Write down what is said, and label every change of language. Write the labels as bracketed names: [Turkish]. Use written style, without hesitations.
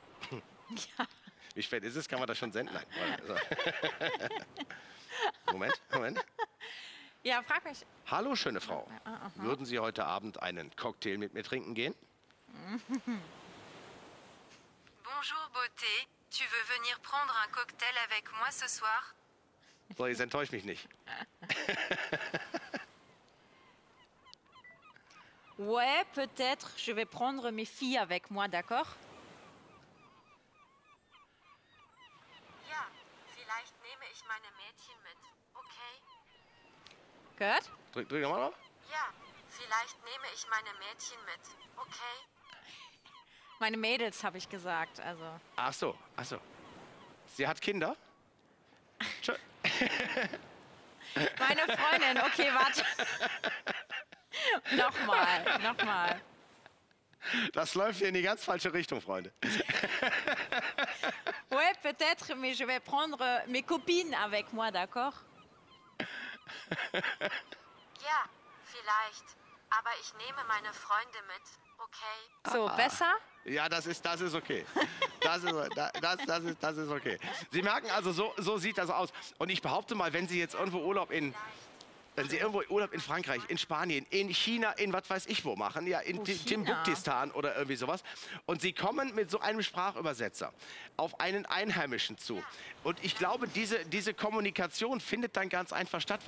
[German] Ja. Wie spät ist es? Kann man das schon senden? Nein. So. Moment. Ja, frag mich. Hallo, schöne Frau. Aha. Würden Sie heute Abend einen Cocktail mit mir trinken gehen? [French] Bonjour, Beauté. Tu veux venir prendre un cocktail avec moi ce soir? [German] So, jetzt enttäuscht mich nicht. [French] Ouais, peut-être. Je vais prendre mes filles avec moi, d'accord? [German] Ja, vielleicht nehme ich meine Mädchen mit, okay? Gut. Drück nochmal auf. Ja, vielleicht nehme ich meine Mädchen mit, okay? Meine Mädels, habe ich gesagt, also. Ach so. Sie hat Kinder? Meine Freundin, okay, warte. Nochmal. Das läuft hier in die ganz falsche Richtung, Freunde. [French] Ouais, peut-être, mais je vais prendre mes copines avec moi, d'accord? [German] Ja, vielleicht. Aber ich nehme meine Freunde mit, okay? So, besser? Ja, das ist okay. Das ist okay. Sie merken also, so sieht das aus. Und ich behaupte mal, wenn Sie irgendwo Urlaub in Frankreich, in Spanien, in China, in was weiß ich wo machen, ja, in Timbuktistan oder irgendwie sowas, und Sie kommen mit so einem Sprachübersetzer auf einen Einheimischen zu, und ich glaube, diese Kommunikation findet dann ganz einfach statt.